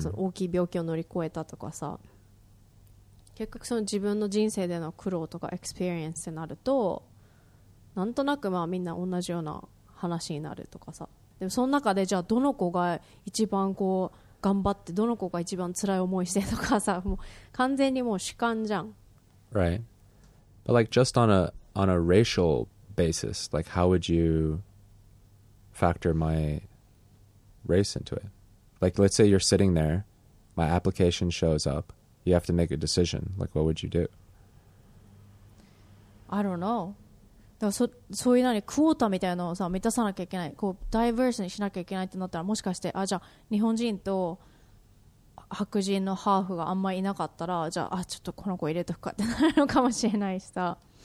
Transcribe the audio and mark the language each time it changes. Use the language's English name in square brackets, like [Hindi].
[Japanese] その大きい病気を乗り越えたとかさ、結局その自分の人生での苦労とかエクスペリエンスになるとなんとなくまあみんな同じような話になるとかさ、でもその中でじゃあどの子が一番こう頑張ってどの子が一番辛い思いしてとかさ、もう完全にもう主観じゃん。 [English] Right. But like just on aOn a racial basis, like how would you factor my race into it? Like, let's say you're sitting there, my application shows up, you have to make a decision. Like, what would you do? I don't know. [Japanese] だからそういうなにクォータみたいなのをさ満たさなきゃいけない、こうダイバースにしなきゃいけないってなったら、もしかしてあじゃあ日本人と白人のハーフがあんまりいなかったら、じゃ あ, あちょっとこの子入れとくかってなるのかもしれないしさ。